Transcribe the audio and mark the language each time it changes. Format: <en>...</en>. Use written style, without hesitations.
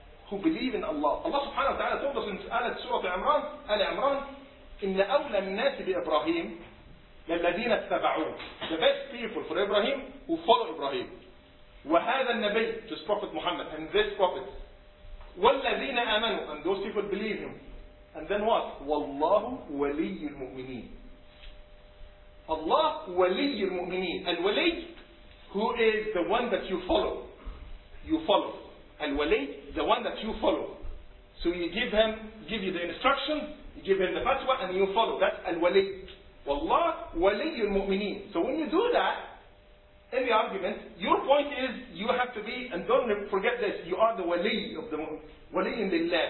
<en>Who believe in Allah. Allah subhanahu wa ta'ala told us in Alat Surah Al-Imran, Al-Imran,</en> <ar>إِنَّ أَوْلَى النَّاسِ بِإِبْرَاهِيمِ لَلَّذِينَ اتَّبَعُونَ.</ar> <en>The best people for Ibrahim who follow Ibrahim.</en> <ar>وَهَذَا النَّبِيِّ,</ar> <en>this Prophet Muhammad, and this Prophet.</en> <ar>وَالَّذِينَ آمَنُوا,</ar> <en>and those people believe him. And then what?</en> <ar>وَاللَّهُ وَلِيِّ الْمُؤْمِنِينَ. Allah وَلِيِّ الْمُؤْمِنِينَ.</ar> <en>الْوَلِي, who is the one that you follow. You follow. الْوَلِي, the one that you follow. So you give him, give you the instruction, you give him the fatwa, and you follow. That's الْوَلِي.</en> <ar>وَاللَّهُ وَلِيِّ الْمُؤْمِنِينَ.</ar> <en>So when you do that, in the argument, your point is, you have to be, and don't forget this, you are the wali of the mu'min. Wali in the land.</en>